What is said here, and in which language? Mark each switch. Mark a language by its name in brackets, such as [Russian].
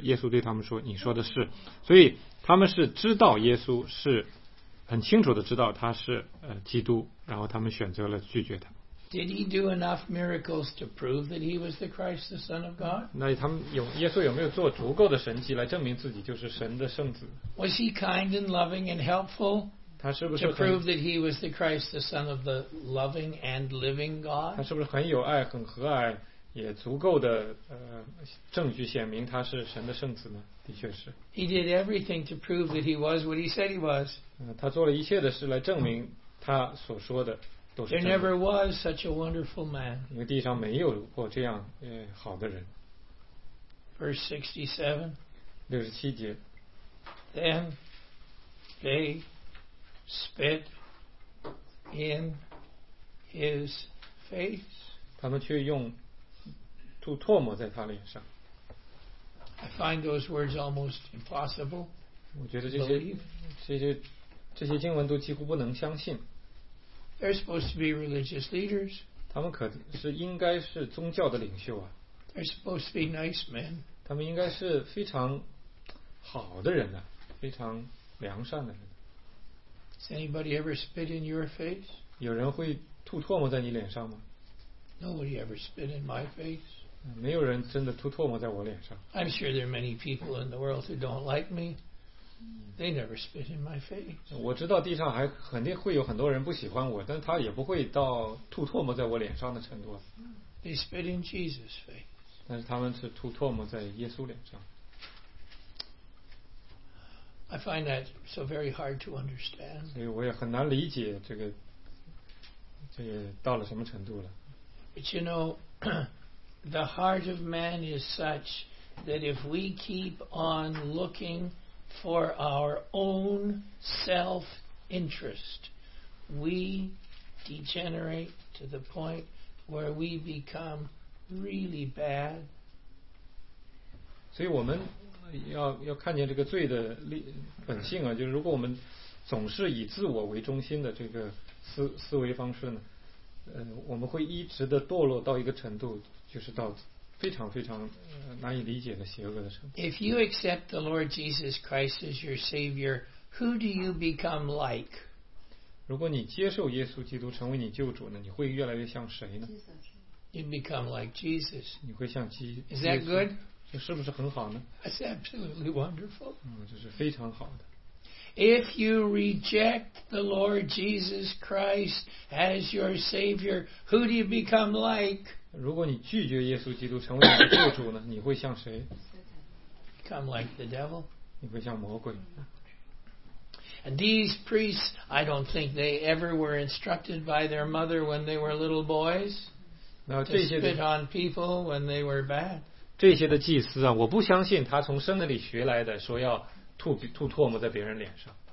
[Chinese] 耶稣对他们说，你说的是。所以他们是知道耶稣是很清楚的知道他是基督，然后他们选择了拒绝他。 [English] Did he do enough miracles to prove that he was the Christ, the Son of God? [Chinese] 那他们有耶稣有没有做足够的神迹来证明自己就是神的圣子？ [English] Was he kind and loving and helpful? [Chinese] 他是不是 [English] to prove that he was the Christ, the Son of the loving and living God? [Chinese] 他是不是很有爱、很和蔼，也足够的证据显明他是神的圣子呢？的确是。 [English] He did everything to prove that he was what he said he was. [Chinese] 他做了一切的事来证明他所说的。 [English] There never was such a wonderful man. [Chinese] 因为地上没有过这样好的人。 [English] Verse [Chinese] 67. 67节。 [English] Then they spit in his face. [Chinese] 他们却用吐唾沫在他脸上。 [English] I find those words almost impossible. [Chinese] 我觉得这些经文都几乎不能相信。 [English] They're supposed to be religious leaders. [Chinese] 他们可是应该是宗教的领袖啊。 [English] They're supposed to be nice men. [Chinese] 他们应该是非常好的人啊，非常良善的人。 [English] Has anybody ever spit in your face? [Chinese] 有人会吐唾沫在你脸上吗？ [English] Nobody ever spit in my face. [Chinese] 没有人真的吐唾沫在我脸上。 [English] I'm sure there are many people in the world who don't like me. They never spit in my face. [Chinese] 我知道地上还肯定会有很多人不喜欢我，但他也不会到吐唾沫在我脸上的程度。 [English] They spit in Jesus' face. [Chinese] 但是他们是吐唾沫在耶稣脸上。 [English] I find that so very hard to understand. [Chinese] 所以我也很难理解这个到了什么程度了。 [English] But you know, the heart of man is such that if we keep on looking. For our own self-interest, we degenerate to the point where we become really bad. [Chinese] 所以我们要看见这个罪的本性啊，就是如果我们总是以自我为中心的这个思维方式呢，我们会一直的堕落到一个程度，就是到。非常非常难以理解的邪恶的程度。 [English] If you accept the Lord Jesus Christ as your Savior, who do you become like? [Chinese] 如果你接受耶稣基督成为你救主呢，你会越来越像谁呢？ [English] You become like Jesus. [Chinese] 你会像 [English] 耶稣。Is that good? [Chinese] 这是不是很好呢？ [English] That's absolutely wonderful. [Chinese] 这是非常好的。 [English] If you reject the Lord Jesus Christ as your Savior, who do you become like? [Chinese] 如果你拒绝耶稣基督成为你的救主呢？你会像谁 [English] ？Come like the devil. [Chinese] 你会像魔鬼。 [English] And these priests, I don't think they ever were instructed by their mother when they were little boys to spit on people when they were bad. [Chinese] 这些的祭司啊，我不相信他从生的里学来的，说要吐唾沫在别人脸上。